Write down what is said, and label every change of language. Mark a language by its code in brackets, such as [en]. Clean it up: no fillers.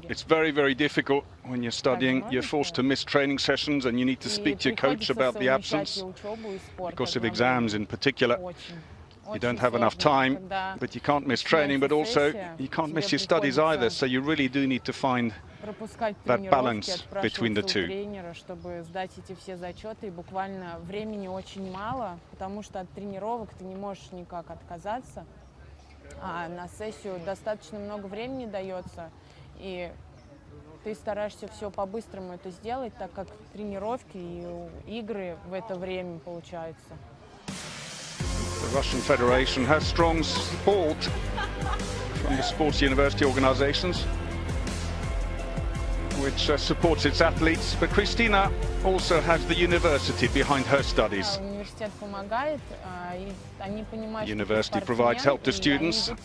[en] It's very, very difficult when you're studying. You're forced to miss training sessions and you need to speak to your coach about the absence. Because of exams in particular, you don't have enough time, but you can't miss training, but also you can't miss your studies either. So you really do need to find that balance between the two. [ru] Чтобы сдать эти все зачеты, буквально времени очень мало, потому что от тренировок ты не можешь никак отказаться. А на сессию достаточно много времени дается, и ты стараешься все по-быстрому это сделать, так как тренировки и игры в это время получаются. [en] The Russian Federation has strong support from the sports university organizations, which supports its athletes. But Kristina also has the university behind her studies. The university provides help to students.